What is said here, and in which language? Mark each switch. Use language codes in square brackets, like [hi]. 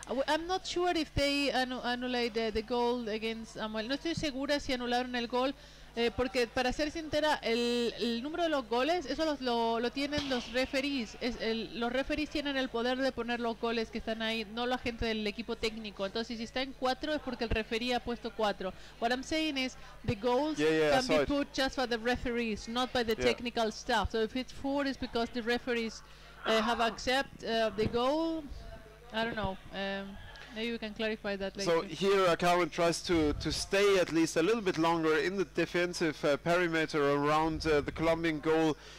[en] I'm not sure if they annulated the goal against Samuel. [es] No estoy segura si anularon el gol, porque para ser sincera, el número de los goles, eso lo tienen los referees. Los referees tienen el poder de poner los goles que están ahí, no la gente del equipo técnico. Entonces, si está en 4 es porque el referee ha puesto 4. [en] What I'm saying is the goals can be put just by the referees, not by the technical staff. So if it's 4, it's because the referees have accepted the goal. I don't know. Maybe we can clarify that later. So here Karen tries to stay at least a little bit longer in the defensive perimeter around the Colombian goal.